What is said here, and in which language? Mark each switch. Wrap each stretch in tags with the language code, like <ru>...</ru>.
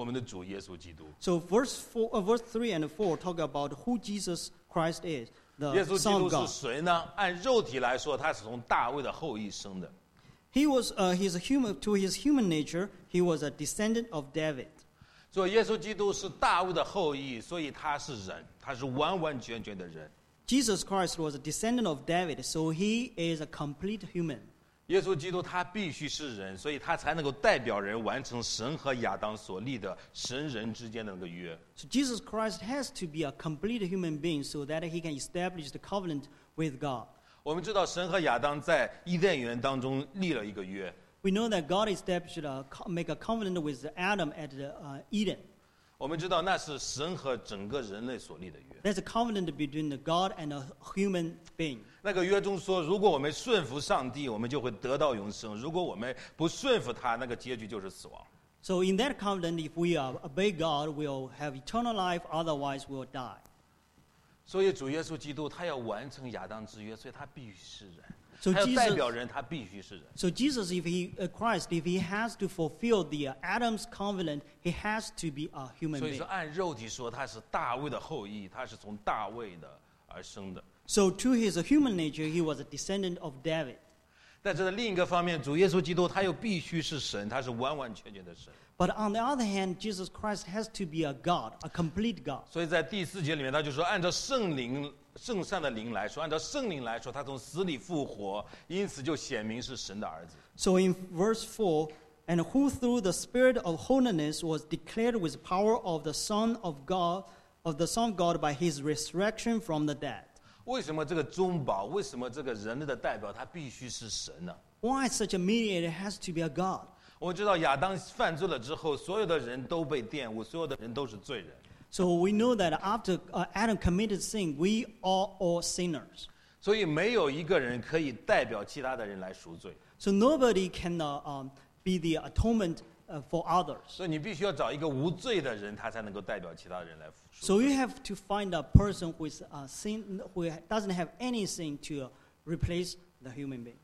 <en>verse four talk about who Jesus Christ is, the Son of God.</en> <zh>耶稣基督是谁呢？按肉体来说，他是从大卫的后裔生的。</zh> <en>He was, he's a human, to his human nature, he was a descendant of David.</en> <zh>所以耶稣基督是大卫的后裔，所以他是人，他是完完全全的人。</zh> <en>Jesus Christ was a descendant of David, so he is a complete human.</en> <zh>耶稣基督他必须是人，所以他才能够代表人完成神和亚当所立的神人之间的那个约。</zh> <en>So Jesus Christ has to be a complete human being so that he can establish the covenant with God.</en> <zh>我们知道神和亚当在伊甸园当中立了一个约。</zh> <en>We know that God established a make a covenant with Adam at the Eden.</en> <zh>我们知道那是神和整个人类所立的约。</zh> <en>There's a covenant between the God and a human being.</en> <zh>那个约中说，如果我们顺服上帝，我们就会得到永生；如果我们不顺服他，那个结局就是死亡。</zh> <en>So in that covenant, if we obey God, we'll have eternal life; otherwise, we'll die.</en> <zh>所以主耶稣基督他要完成亚当之约，所以他必须是人。</zh> <en>So Jesus,</en> <zh>他要代表人，他必须是人。</zh> <en>So Jesus, if he Christ, if he has to fulfill the Adam's covenant, he has to be a human being.</en> <zh>所以说，按肉体说，他是大卫的后裔，他是从大卫的而生的。</zh> <en>So to his human nature, he was a descendant of David.</en> <zh>但是在另一个方面，主耶稣基督他又必须是神，他是完完全全的神。</zh> <en>But on the other hand, Jesus Christ has to be a God, a complete God.</en> <zh>所以在第四节里面，他就说，按照圣灵。圣善的灵来说，按照圣灵来说，他从死里复活，因此就显明是神的儿子。</zh> <en>So in verse 4, and who through the Spirit of holiness was declared with power of the Son of God, of the Son of God by his resurrection from the dead.</en> <zh>为什么这个中保，为什么这个人类的代表，他必须是神呢？</zh> <en>Why such a mediator has to be a God?</en> <zh>我知道亚当犯罪了之后，所有的人都被玷污，所有的人都是罪人。</zh> <en>So we know that after Adam committed sin, we are all sinners.</en> <zh>所以没有一个人可以代表其他的人来赎罪。</zh> <en>So nobody can be the atonement for others.</en> <zh>所以你必须要找一个无罪的人，他才能够代表其他人来赎罪。</zh> <en>So you have to find a person who is sin who doesn't have anything to replace the human being.</en>